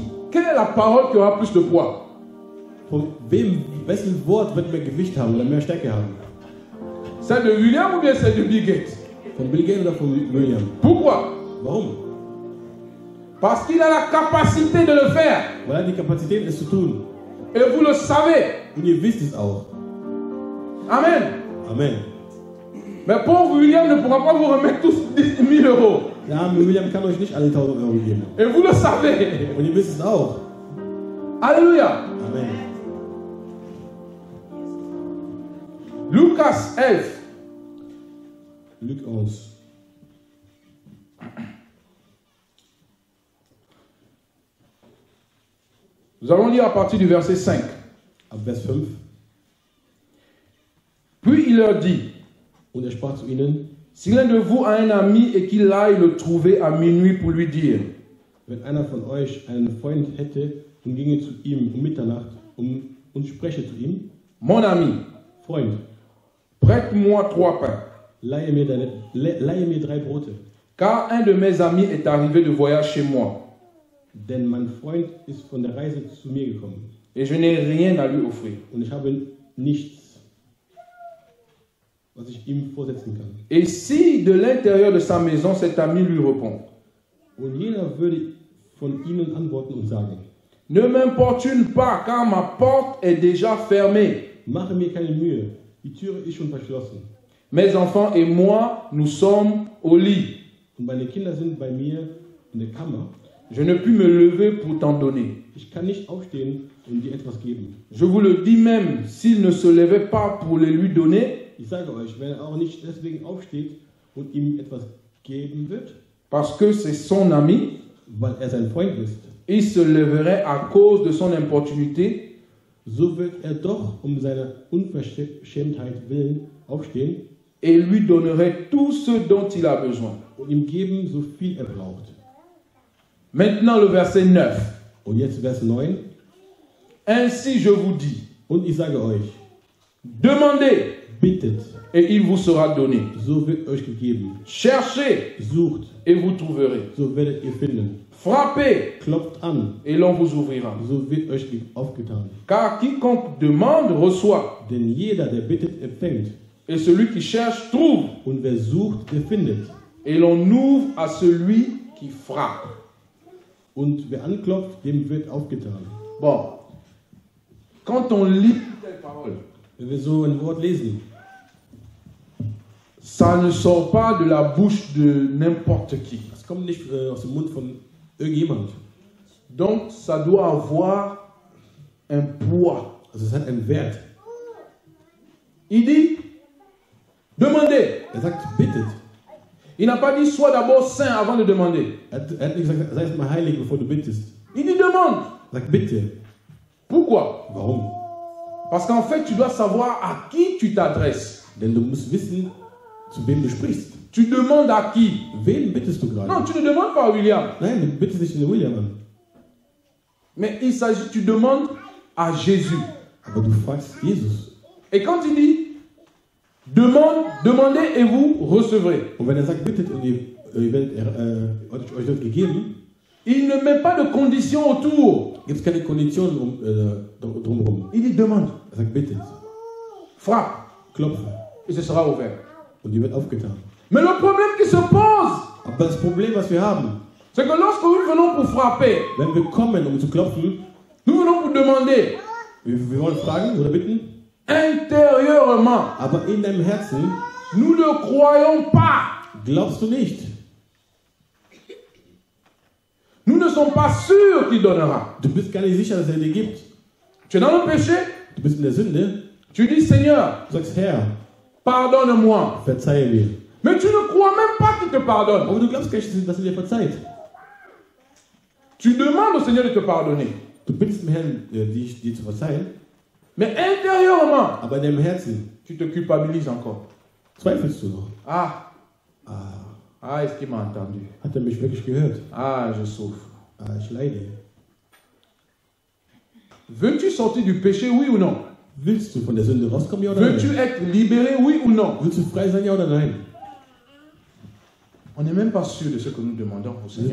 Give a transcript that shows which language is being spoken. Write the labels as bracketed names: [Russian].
[French] Quelle est la parole qui aura plus de poids? [German] Von wem, wessen Wort wird mehr Gewicht haben oder mehr Stärke haben? [French] Celle de William ou bien celle de Bill Gates? [German] Von Bill Gates oder von William? [French] Pourquoi? [German] Warum? [French] Parce qu'il a la capacité de le faire. [German] Weil er die Kapazität es zu tun. [French] Et vous le savez. [German] Und ihr wisst es auch. Amen. Amen. [French] Mais pauvre William ne pourra pas vous remettre tous 10 000 euros. [German] Ja, mais William kann euch nicht alle 1000 Euro geben. [French] Et vous le savez. [German] Und ihr wisst es auch. [French] Alléluia. Amen. [German] Lukas 11. [French] Luc 11. Nous allons lire à partir du verset 5. À vers 5. Puis il leur dit. [German] Und er sprach zu ihnen. [French] Si l'un de vous a un ami et qu'il aille le trouver à minuit pour lui dire. [German] Wenn einer von euch einen Freund hätte und ginge zu ihm um Mitternacht und spreche zu ihm. [French] Mon ami. [German] Freund. [French] Prête-moi trois pains. [German] Leihe mir drei Brote. [French] Car un de mes amis est arrivé de voyage chez moi. [German] Denn mein Freund ist von der Reise zu mir gekommen. [French] Et je n'ai rien à lui offrir. [German] Und ich habe nichts, was ich ihm vorsetzen kann. [French] Et si de l'intérieur de sa maison cet ami lui répond. [German] Und jener würde von ihnen antworten und sagen. [French] Ne m'importune pas, car ma porte est déjà fermée. [German] Mache mir keine Mühe. Die Tür ist schon verschlossen. [French] Mes enfants et moi, nous sommes au lit. [German] Und meine Kinder sind bei mir in der Kammer. [French] Je ne puis me lever pour t'en donner. [German] Ich kann nicht aufstehen und dir etwas geben. [French] Je vous le dis même, s'il ne se levait pas pour les lui donner. [German] Ich sage euch, wenn er auch nicht deswegen aufsteht und ihm etwas geben wird. [French] Parce que c'est son ami. [German] Weil er sein Freund ist. [French] Il se leverait à cause de son importunité. [German] So wird er doch um seiner Unverschämtheit willen aufstehen [French] et lui donnerait tout ce dont il a besoin. [German] Und ihm geben, so viel er braucht. [French] Maintenant le verset 9. [German] Und jetzt Vers 9. [French] Ainsi je vous dis. [German] Und ich sage euch. [French] Demandez. [German] Bittet. [French] Et il vous sera donné. [German] So wird euch gegeben. [French] Cherchez. [German] Sucht. [French] Et vous trouverez. [German] So werdet ihr finden. [French] Frappez. [German] Klopft an. [French] Et l'on vous ouvrira. [German] So wird euch aufgetan. [French] Car quiconque demande reçoit. [German] Denn jeder, der bittet, empfängt. [French] Et celui qui cherche trouve. [German] Und wer sucht, der findet. [French] Et l'on ouvre à celui qui frappe. [German] Und wer anklopft, dem wird aufgetan. [French] Bon. Quand on lit telle parole. [German] Wenn wir so ein Wort lesen. [French] Ça ne sort pas de la bouche de n'importe qui. [German] Das kommt nicht aus dem Mund von irgendjemand. [French] Donc ça doit avoir un poids. [German] Also es hat einen Wert. [French] Il dit, demandez. [German] Er sagt, bittet. [French] Il n'a pas dit, sois d'abord saint avant de demander. [German] Er hat nicht gesagt, sei erstmal heilig, bevor du bittest. [French] Il dit, demande. [German] Er sagt, bitte. [French] Pourquoi? [German] Warum? [French] Parce qu'en fait, tu dois savoir à qui tu t'adresses. [German] Denn du musst wissen, zu wem du sprichst. [French] Tu demandes à qui? [German] Wem bittest du gerade? [French] Non, tu ne demandes pas à William. [German] Nein, du bittest nicht an William. [French] Mais il s'agit, tu demandes à Jésus. [German] Aber du fragst Jesus. [French] Et quand il dit, demandez et vous recevrez. [German] Und wenn er sagt, bittet und ihr werdet euch das gegeben. [French] Il ne met pas de conditions autour. [German] Gibt es keine Konditionen drumherum. [French] Il dit, demande. [German] Er sagt, bittet. [French] Frappe. [German] Klopfe. [French] Et ce sera ouvert. [German] Und ihr werdet aufgetan. [French] Mais le problème qui se pose, [German] aber das Problem, was wir haben, [French] c'est que lorsque nous venons pour frapper, [German] wenn wir kommen, um zu klopfen, [French] nous venons pour demander, [German] wir wollen fragen oder bitten, [French] intérieurement, [German] aber in deinem Herzen, [French] nous ne croyons pas. [German] Glaubst du nicht? [French] Nous ne sommes pas sûrs qu'il donnera. [German] Du bist gar nicht sicher, dass er dir gibt. [French] Tu es dans le péché? [German] Du bist in der Sünde. [French] Tu dis, Seigneur, [German] du sagst, Herr, [French] pardonne-moi. [German] Verzeih mir. [French] Mais tu ne crois même pas qu'il te pardonne. [German] Aber du glaubst, dass er dir verzeiht. [French] Tu demandes au Seigneur de te pardonner. [German] Du bittest dem Herrn, dir zu verzeihen. [French] Mais intérieurement, [German] aber in deinem Herzen, [French] tu te culpabilises encore. [German] Zweifelst du noch? [French] Ah. [German] Ah. [French] Ah, est-ce qu'il m'a entendu? [German] Hat er mich wirklich gehört? [French] Ah, je souffre. [German] Ah, ich leide. [French] Veux-tu sortir du péché, oui ou non? [German] Willst du von der Sünde rauskommen, ja oder [French] Veux-tu [German] nein? [French] Être libéré, oui ou non? [German] Willst du frei sein, ja oder nein? [French] On n'est même pas sûr de ce que nous demandons au Seigneur.